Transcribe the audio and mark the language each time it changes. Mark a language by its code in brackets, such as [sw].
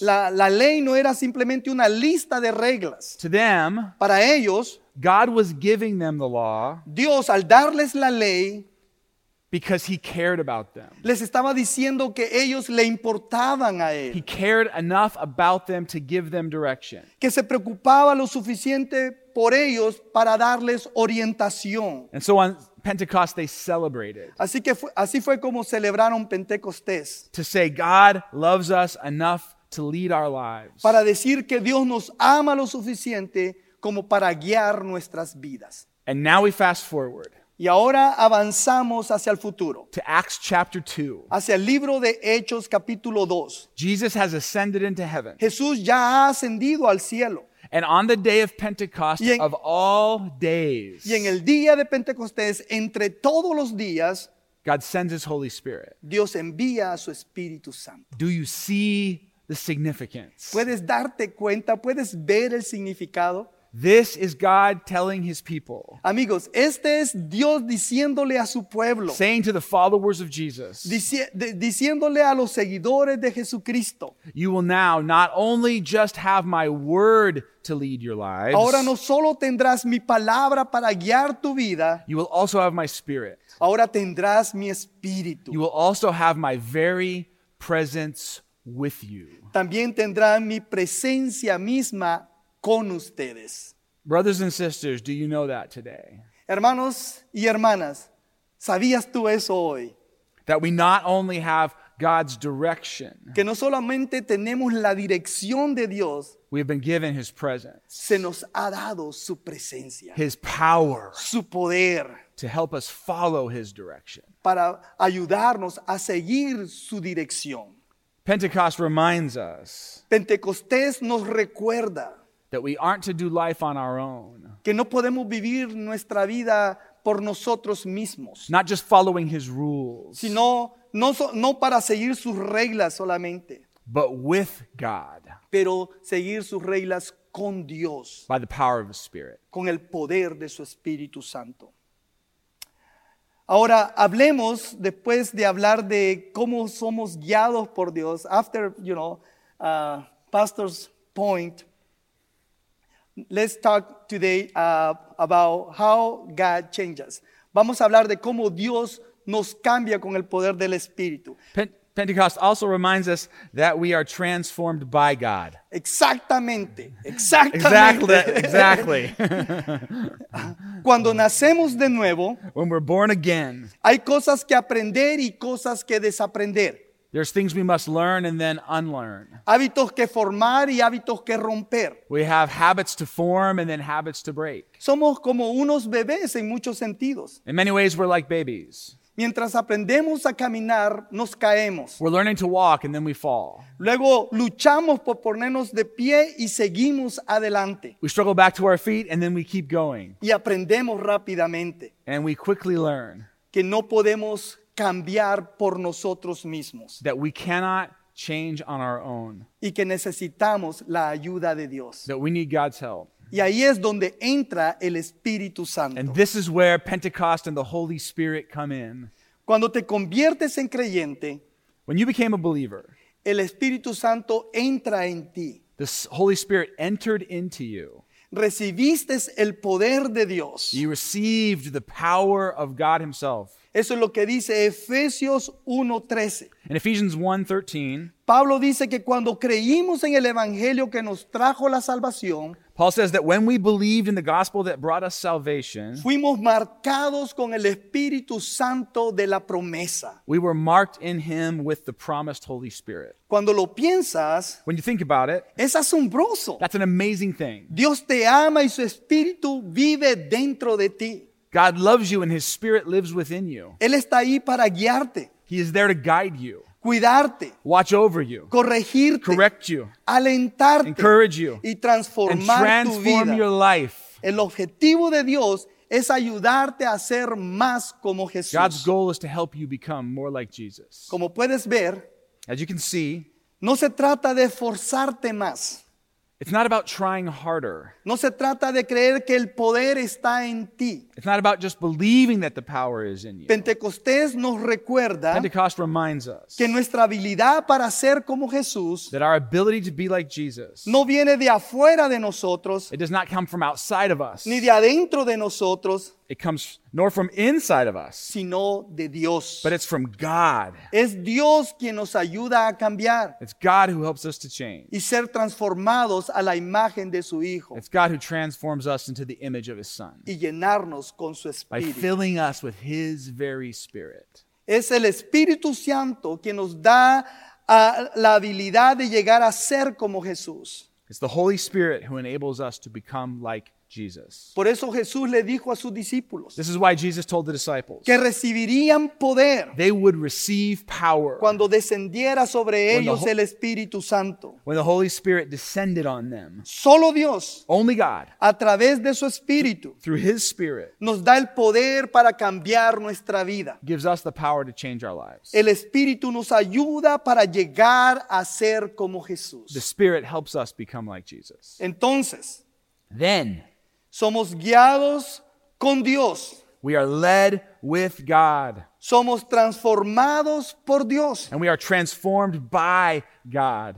[es] La ley no era simplemente una lista de reglas. [en] To them, [es] para ellos, [en] God was giving them the law. [es] Dios al darles la ley. [en] Because he cared about them. [es] Les estaba diciendo que ellos le importaban a él. [en] He cared enough about them to give them direction. [es] Que se preocupaba lo suficiente por ellos para darles orientación. [en] And so on Pentecost they celebrated. [es] Así fue como celebraron Pentecostés. [en] To say God loves us enough to lead our lives. [es] Para decir que Dios nos ama lo suficiente como para guiar nuestras vidas. [en] And now we fast forward. [es] Y ahora avanzamos hacia el futuro. [en] To Acts chapter 2. [es] Hacia el libro de Hechos capítulo 2. [en] Jesus has ascended into heaven. [es] Jesús ya ha ascendido al cielo. [en] And on the day of Pentecost, of all days. [es] Y en el día de Pentecostés, entre todos los días. [en] God sends his Holy Spirit. [es] Dios envía a su Espíritu Santo. [en] Do you see the significance? [es] Puedes darte cuenta, puedes ver el significado. [en] This is God telling his people. [es] Amigos, este es Dios diciéndole a su pueblo. [en] Saying to the followers of Jesus. [es] Diciéndole a los seguidores de Jesucristo. [en] You will now not only just have my word to lead your lives. [es] Ahora no solo tendrás mi palabra para guiar tu vida. [en] You will also have my spirit. [es] Ahora tendrás mi espíritu. [en] You will also have my very presence with you. [es] También tendrán mi presencia misma con ustedes. [en] Brothers and sisters, do you know that today? [es] Hermanos y hermanas, ¿sabías tú eso hoy? [en] That we not only have God's direction. [es] Que no solamente tenemos la dirección de Dios. [en] We have been given his presence. [es] Se nos ha dado su presencia. [en] His power. [es] Su poder. [en] To help us follow his direction. [es] Para ayudarnos a seguir su dirección. [en] Pentecost reminds us. [es] Pentecostés nos recuerda. [en] That we aren't to do life on our own. [es] Que no podemos vivir nuestra vida por nosotros mismos. [en] Not just following his rules. [es] Sino no para seguir sus reglas solamente. [en] But with God. [es] Pero seguir sus reglas con Dios. [en] By the power of his spirit. [es] Con el poder de su Espíritu Santo. Ahora hablemos después de hablar de cómo somos guiados por Dios. [en] After, you know, pastor's point. Let's talk today about how God changes. [es] Vamos a hablar de cómo Dios nos cambia con el poder del Espíritu. [en] Pentecost also reminds us that we are transformed by God. [es] Exactamente. [en] Exactly. Exactly. [es] Cuando nacemos de nuevo, [en] when we're born again, [es] hay cosas que aprender y cosas que desaprender. [en] There's things we must learn and then unlearn. [es] Hábitos que formar y hábitos que romper. [en] We have habits to form and then habits to break. [es] Somos como unos bebés en muchos sentidos. [en] In many ways, we're like babies. [es] Mientras aprendemos a caminar, nos caemos. [en] We're learning to walk and then we fall. [es] Luego luchamos por ponernos de pie y seguimos adelante. [en] We struggle back to our feet and then we keep going. [es] Y aprendemos rápidamente. [en] And we quickly learn. [es] Que no podemos cambiar por nosotros mismos. [en] That we cannot change on our own. [es] Y que necesitamos la ayuda de Dios. [en] That we need God's help. [es] Y ahí es donde entra el Espíritu Santo. [en] And this is where Pentecost and the Holy Spirit come in. [es] Cuando te conviertes en creyente, [en] when you became a believer, [es] el Espíritu Santo entra en ti. [en] The Holy Spirit entered into you. [es] Recibiste el poder de Dios. [en] You received the power of God himself. [es] Eso es lo que dice Efesios 1:13. [en] In Ephesians 1:13, [es] Pablo dice que cuando creímos en el evangelio que nos trajo la salvación, [en] Paul says that when we believed in the gospel that brought us salvation, [es] fuimos marcados con el Espíritu Santo de la promesa. [en] We were marked in him with the promised Holy Spirit. [es] Cuando lo piensas, [en] when you think about it, [es] es asombroso. [en] That's an amazing thing. [es] Dios te ama y su Espíritu vive dentro de ti. [en] God loves you and his spirit lives within you. [es] Él está ahí para guiarte. [en] He is there to guide you. [es] Cuidarte. [en] Watch over you. [es] Corregirte. [en] Correct you. [es] Alentarte. [en] Encourage you. [es] Y transformar tu vida. [en] And transform your life. [es] El objetivo de Dios es ayudarte a ser más como Jesús. [en] God's goal is to help you become more like Jesus. [es] Como puedes ver, [en] as you can see, [es] no se trata de forzarte más. [en] It's not about trying harder. [es] No se trata de creer que el poder está en ti. [en] It's not about just believing that the power is in you. [es] Pentecostés nos recuerda. [en] Pentecost reminds us. [es] Que nuestra habilidad para ser como Jesús. [en] That our ability to be like Jesus. [es] No viene de afuera de nosotros. [en] It does not come from outside of us. [es] Ni de adentro de nosotros. [en] It comes nor from inside of us. [es] Sino de Dios. [en] But it's from God. [es] Es Dios quien nos ayuda a cambiar. [en] It's God who helps us to change. [es] Y ser transformados a la imagen de su Hijo. [en] It's God who transforms us into the image of his Son. [es] Y llenarnos con su Espíritu. [en] By filling us with his very Spirit. [es] Es el Espíritu Santo quien nos da la habilidad de llegar a ser como Jesús. [en] It's the Holy Spirit who enables us to become like Jesus. [es] Por eso Jesús le dijo a sus discípulos. [en] This is why Jesus told the disciples. [es] Que recibirían poder. [en] They would receive power. [es] Cuando descendiera sobre ellos el Espíritu Santo. [en] When the Holy Spirit descended on them. [es] Solo Dios. [en] Only God. [es] A través de su Espíritu. [en] Through his Spirit. [es] Nos da el poder para cambiar nuestra vida. [en] Gives us the power to change our lives. [es] El Espíritu nos ayuda para llegar a ser como Jesús. [en] The Spirit helps us become like Jesus. [es] Entonces. [en] Then, [es] somos guiados con Dios. [en] We are led with God. [es] Somos transformados por Dios. [en] And we are transformed by God.